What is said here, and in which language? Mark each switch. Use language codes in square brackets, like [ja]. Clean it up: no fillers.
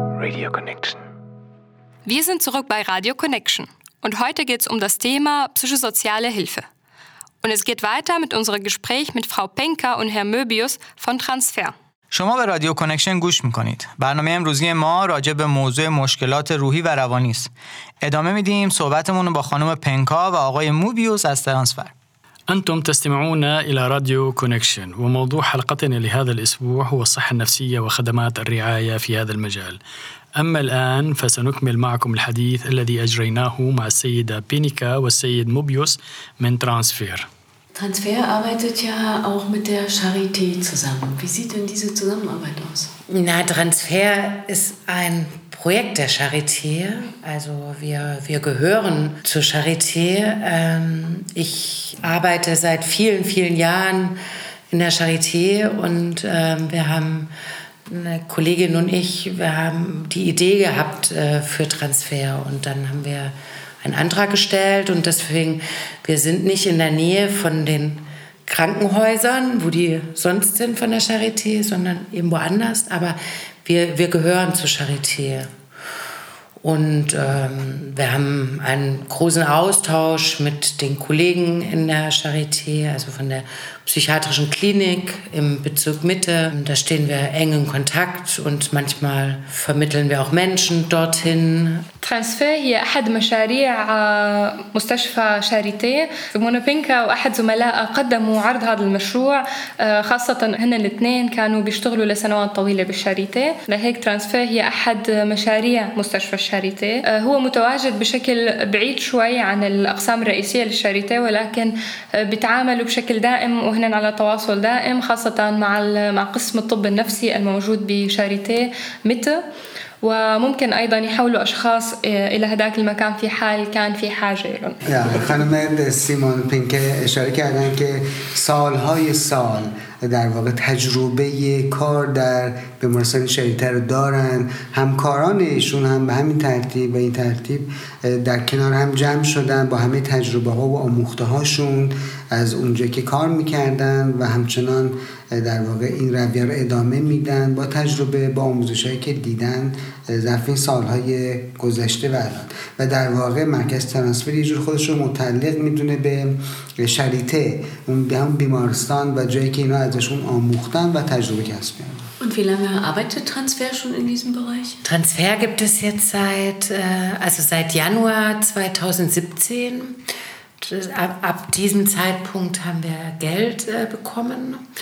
[de] Wir sind zurück bei Radio Connection und heute geht es um das Thema psychosoziale Hilfe. Und es geht weiter mit unserem Gespräch mit Frau Penker und Herr Möbius von Transfer. [fa] شما به رادیو کانکشن گوش میکنید. برنامه امروزی ما راجع به موضوع مشکلات روحی و روانی است. ادامه میدیم صحبتمون رو با خانم پنکا و آقای موبیوس از ترانسفر. [ar] انتم تستمعون الى راديو كونكشن وموضوع حلقتنا لهذا الاسبوع هو الصحه النفسيه وخدمات الرعايه في هذا المجال. اما الان فسنكمل معكم الحديث الذي اجريناه مع السيده بينيكا والسيد موبيوس من ترانسفير. [de] Transfer arbeitet ja auch mit der Charité zusammen. Wie sieht denn diese Zusammenarbeit aus? Na, Transfer ist ein Projekt der Charité. Also wir gehören zur Charité. Ich arbeite seit vielen, vielen Jahren in der Charité und wir haben, eine Kollegin und ich, wir haben die Idee gehabt für Transfer und dann haben wir einen Antrag gestellt und deswegen, wir sind nicht in der Nähe von den Krankenhäusern, wo die sonst sind von der Charité, sondern eben woanders, aber wir gehören zur Charité und wir haben einen großen Austausch mit den Kollegen in der Charité, also von der psychiatrischen Klinik im Bezirk Mitte. Da stehen wir eng in Kontakt und manchmal vermitteln wir auch Menschen dorthin. [ar] Transfer هي أحد مشاريع مستشفى شاريتي في مونوبينكا وأحد زملاء قدموا عرض هذا المشروع خاصة هن الاثنين كانوا بيشتغلوا لسنوات طويلة بالشاريتي لهيك ترانسفير هي أحد مشاريع مستشفى الشاريتي هو متواجد بشكل بعيد شوي عن الأقسام الرئيسية للشاريتي ولكن بيتعاملوا بشكل دائم وهن على تواصل دائم خاصة مع قسم الطب النفسي الموجود بشاريتي متى وممكن ايضا يحولوا اشخاص الى هذاك المكان في حال كان في حاجه لهم [fa] يا خانم سيمون بينكه اشاره کردن که سالهای سال در واقع تجربه کار در بیمارستان شریته رو دارن همکارانشون هم به همین ترتیب و این ترتیب در کنار هم جمع شدن با همه تجربه ها و آموخته هاشون از اونجا که کار میکردن و همچنان در واقع این رویه رو ادامه میدن با تجربه با آموزش هایی که دیدن ظرف این سالهای گذشته و الان و در واقع مرکز ترانسفر یه جور خودش رو متعلق میدونه به شریته اون به هم بیمارستان و جایی که اینا ازشون آموختن و تجربه کسب کردن [de] Und wie lange arbeitet Transfer schon in diesem Bereich? Transfer gibt es jetzt seit Januar 2017. Ab diesem Zeitpunkt haben wir Geld bekommen.